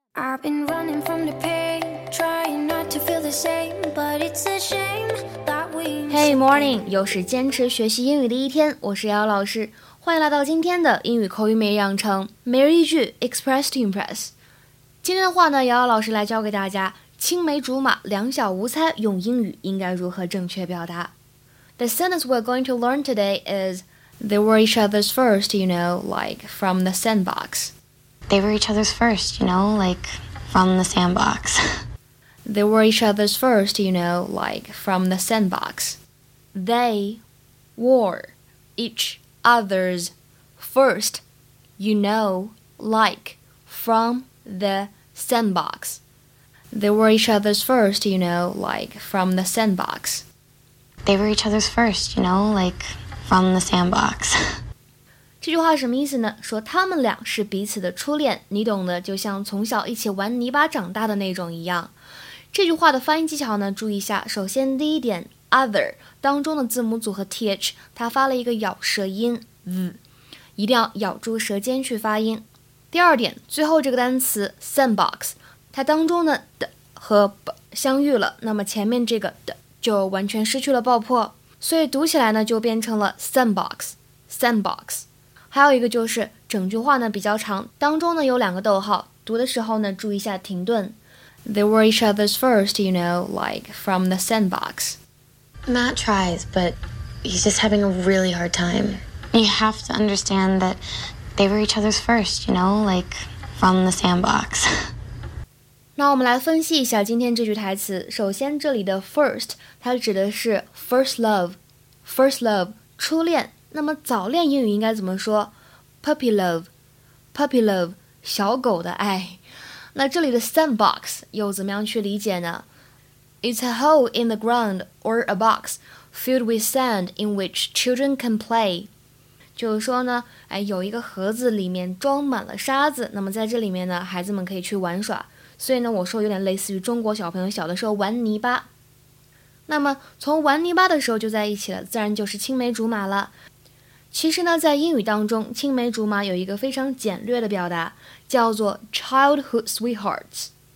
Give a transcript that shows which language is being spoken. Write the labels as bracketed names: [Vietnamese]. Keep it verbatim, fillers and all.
[English] I've been running from the pain, trying not to feel the same, but it's a shame that we. Hey morning， [Chinese] 又是坚持学习英语的一天，我是姚老师，欢迎来到今天的英语口语每日养成，每日一句 Express to Impress。今天的话呢，姚老师来教给大家青梅竹马、两小无猜用英语应该如何正确表达。 [English] The sentence we're going to learn today is they were each other's first, you know, like from the sandbox. They were each other's first, you know, like from the sandbox. They were each other's first, you know, like from the sandbox. They were each other's first, you know, like from the sandbox. They were each other's first, you know, like from the sandbox. They were each other's first, you know, like from the sandbox. [Chinese] 这句话什么意思呢？说他们俩是彼此的初恋，你懂的，就像从小一起玩泥巴长大的那种一样。这句话的发音技巧呢，注意一下。首先第一点 ，other 当中的字母组合 th， 它发了一个咬舌音 z， 一定要咬住舌尖去发音。第二点，最后这个单词 sandbox， 它当中的 d 和 b 相遇了，那么前面这个 d 就完全失去了爆破，所以读起来呢就变成了 sandbox， sandbox。还有一个就是整句话呢比较长，当中呢有两个逗号，读的时候呢注意一下停顿。 [English] They were each other's first, you know, like from the sandbox. Matt tries, but he's just having a really hard time. You have to understand that they were each other's first, you know, like from the sandbox. [Chinese] 那我们来分析一下今天这句台词。首先这里的 first 它指的是 first love, first love 初恋。那么早恋英语应该怎么说 ？ [English] Puppy love, puppy love， [Chinese] 小狗的爱。那这里的 sandbox 又怎么样去理解呢 [English] ？It's a hole in the ground or a box filled with sand in which children can play。 [Chinese] 就是说呢，哎，有一个盒子里面装满了沙子，那么在这里面呢，孩子们可以去玩耍。所以呢，我说有点类似于中国小朋友小的时候玩泥巴。那么从玩泥巴的时候就在一起了，自然就是青梅竹马了。其实呢，在英语当中，青梅竹马有一个非常简略的表达，叫做 childhood sweethearts。